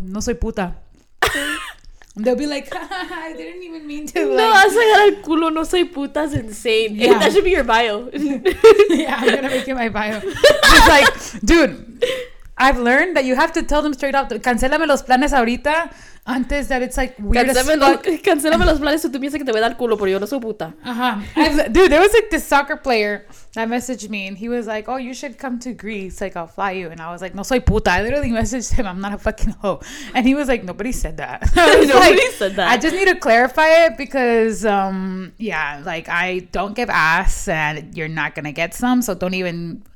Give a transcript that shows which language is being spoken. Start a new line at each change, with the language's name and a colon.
Spanish: No soy puta.
English: They'll be like, I didn't even mean to.
Spanish: No vas a agarrar culo. No soy puta
English: is insane. Yeah. That should be your bio. Yeah, I'm going to make it my bio. It's like, dude, I've learned that you have to tell them straight up,
Spanish: cancelame los planes ahorita. Antes
English: that it's like weird.
Spanish: Cancelame los planes, tú piensas que te voy a dar culo, pero yo no soy puta.
English: Dude, there was like this soccer player that messaged me, and he was like, oh, you should come to Greece, like I'll fly you. And I was like,
Spanish: no soy puta.
English: I literally messaged him, I'm not a fucking hoe. And he was like, nobody said that. I just need to clarify it because, yeah, like I don't give ass, and you're not going to get some, so don't even...